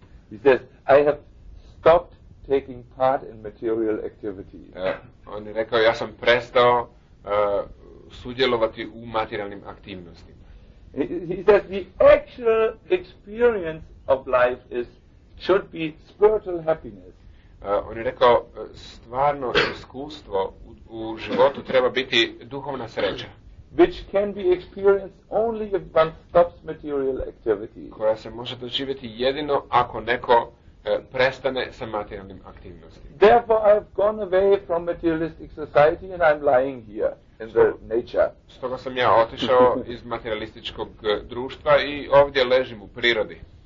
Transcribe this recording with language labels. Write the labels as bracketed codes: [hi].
[en] He says, I have stopped taking part in material activities. [hr] On je rekao, ja sam prestao sudjelovati u materialnim aktivnostima. [en] He says, the actual experience of life is should be spiritual happiness. [hr] On je rekao, stvarno iskustvo u životu treba biti duhovna sreća. [en] Which can be experienced only if one stops material activities. [hr] Koja se može doživjeti jedino ako neko prestane sa materijalnim aktivnostima. [en] Therefore I've gone away from materialistic society and I'm lying here in the nature. [hr] Stoga sam ja otišao iz materialističkog društva i ovdje ležim u prirodi.